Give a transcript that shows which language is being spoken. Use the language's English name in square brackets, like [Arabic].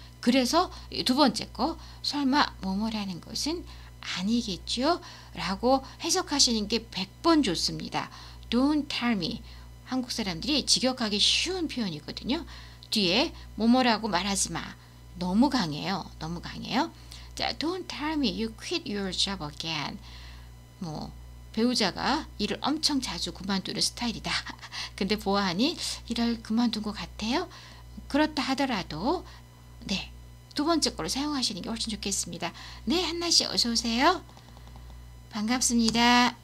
[Korean] 그래서 두 번째 거, 설마 뭐뭐라는 것은 아니겠죠? 라고 해석하시는 게 100번 좋습니다. [English] Don't tell me. [Korean] 한국 사람들이 직역하기 쉬운 표현이거든요. 뒤에 뭐뭐라고 말하지 마. 너무 강해요. 너무 강해요. [English] 자, Don't tell me you quit your job again. [Korean] 뭐, 배우자가 일을 엄청 자주 그만두는 스타일이다. 근데 보아하니 일을 그만둔 것 같아요? 그렇다 하더라도, 네. 두 번째 거를 사용하시는 게 훨씬 좋겠습니다. 네, 한나 씨, 어서 오세요. 반갑습니다.